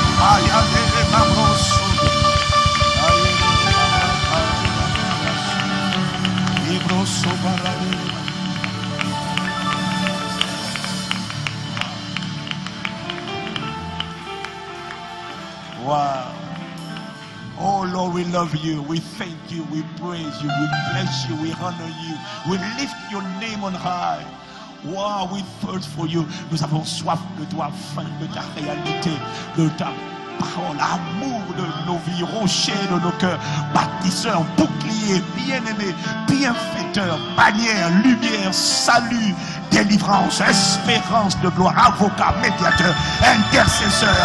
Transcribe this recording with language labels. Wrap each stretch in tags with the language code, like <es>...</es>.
<en>Aïe, aïe, aïe, aïe, aïe, aïe, aïe. Wow. Oh Lord, we love you, we thank you, we praise you, we bless you, we honor you, we lift your name on high. Wow, we thirst for you.</en> <fr>Nous avons soif de toi, faim de ta réalité, de ta parole, amour de nos vies, rocher de nos cœurs, bâtisseur, bouclier, bien-aimé, bienfaiteur, bannière, lumière, salut, délivrance, espérance de gloire, avocat, médiateur, intercesseur.</fr>